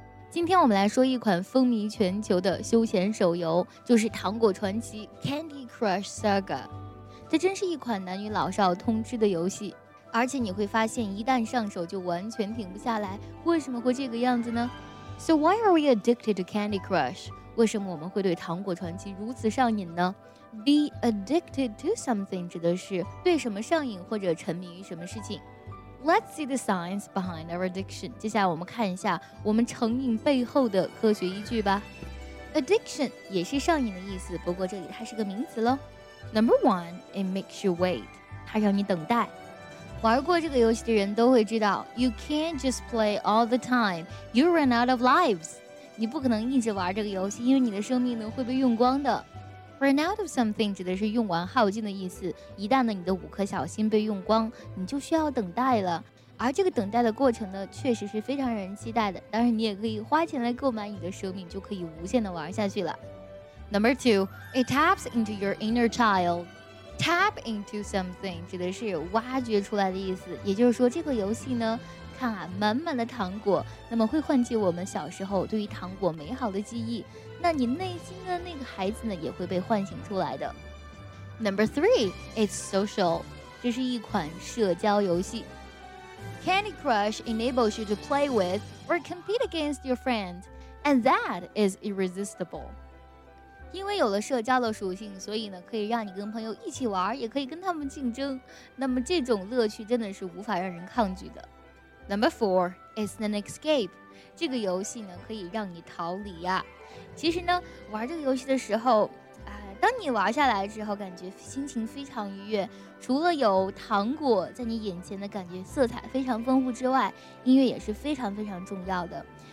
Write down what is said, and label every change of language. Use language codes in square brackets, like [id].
[zh] 今天我们来说一款风靡全球的休闲手游，就是糖果传奇 Candy Crush Saga。这真是一款男女老少通吃的游戏，而且你会发现一旦上手就完全停不下来。为什么会这个样子呢？ [en] So why are we addicted to Candy Crush? [zh] 为什么我们会对糖果传奇如此上瘾呢？ [en] Be addicted to something [zh] 指的是对什么上瘾或者沉迷于什么事情。 [en] Let's see the science behind our addiction. [zh] 接下来我们看一下我们成瘾背后的科学依据吧。 Addiction 也是上瘾的意思，不过这里它是个名词咯。 [en] Number one, it makes you wait. [zh] 它让你等待。玩过这个游戏的人都会知道， [en] You can't just play all the time. You run out of lives. [zh] 你不可能一直玩这个游戏，因为你的生命呢会被用光的。 [en] Run out of something [zh] 指的是用完耗尽的意思，一旦呢你的五颗小心被用光，你就需要等待了。而这个等待的过程呢确实是非常人期待的，当然你也可以花钱来购买你的生命，就可以无限的玩下去了。 [en] Number two, it taps into your inner child. Tap into something [zh] 指的是挖掘出来的意思，也就是说这个游戏呢看啊，满满的糖果，那么会唤起我们小时候对于糖果美好的记忆，那你内心的那个孩子呢也会被唤醒出来的。 [en] Number three, it's social. [zh] 这是一款社交游戏。 [en] Candy Crush enables you to play with or compete against your friends, and that is irresistible. [zh] 因为有了社交的属性，所以呢可以让你跟朋友一起玩，也可以跟他们竞争，那么这种乐趣真的是无法让人抗拒的。 [en] Number four, it's an escape. [zh] 这个游戏呢可以让你逃离呀。其实呢玩这个游戏的时候，当你玩下来之后感觉心情非常愉悦，除了有糖果在你眼前的感觉色彩非常丰富之外，音乐也是非常非常重要的。